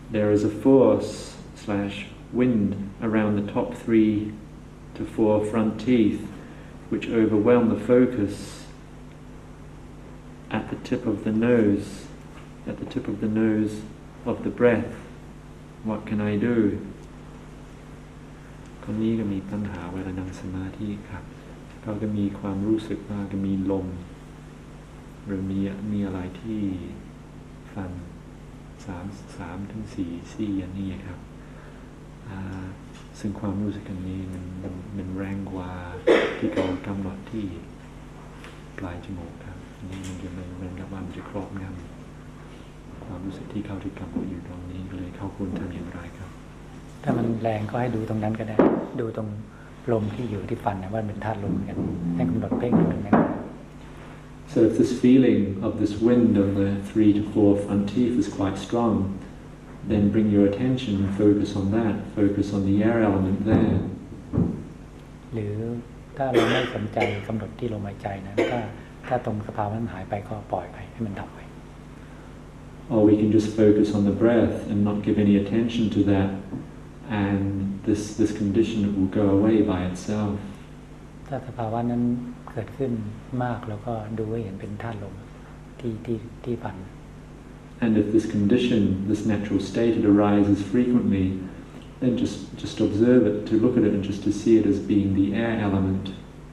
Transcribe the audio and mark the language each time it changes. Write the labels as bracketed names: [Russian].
[English] There is a force slash wind around the top 3 to 4 front teeth, which overwhelm the focus at the tip of the nose, at the tip of the nose of the breath. What can I do? [Thai] ตอนนี้ก็มีปัญหาเวลานั่งสมาธิครับเขาก็มีความรู้สึกว่าก็มีลมหรือมีอะไรที่ฟัน3ถึง4ซี่อันนี้ครับซึ่งความรู้สึกอันนี้มันแรงกว่าที่เขากำหนดที่ปลายจมูกครับนี่มันกับมันจะครอบงำความรู้สึกที่เขาที่กำหนดอยู่ตรงนี้เลยเขาควรทำอย่างไรครับ ถ้ามันแรงก็ให้ดูตรงนั้นก็ได้ดูตรงลมที่อยู่ที่ฟันนะว่าเป็นธาตุลมกันให้กำหนดเพ่งตรงนั้น [English] So if this feeling of this wind on the 3 to 4 front teeth is quite strong, then bring your attention and focus on that. Focus on the air element there. [Thai] หรือถ้าเราไม่สนใจกำหนดที่ลมหายใจนะก็ถ้าตรงสภาวะมันหายไปก็ปล่อยไปให้มันดับไป [English] Or we can just focus on the breath and not give any attention to that. And this condition will go away by itself. [Thai] ถ้าสภาวะนั้นเกิดขึ้นมากแล้วก็ดูให้เห็นเป็นธาตุลมที่ปั่น [English] And if this condition, this natural state, it arises frequently, then just observe it to look at it and just to see it as being the air element.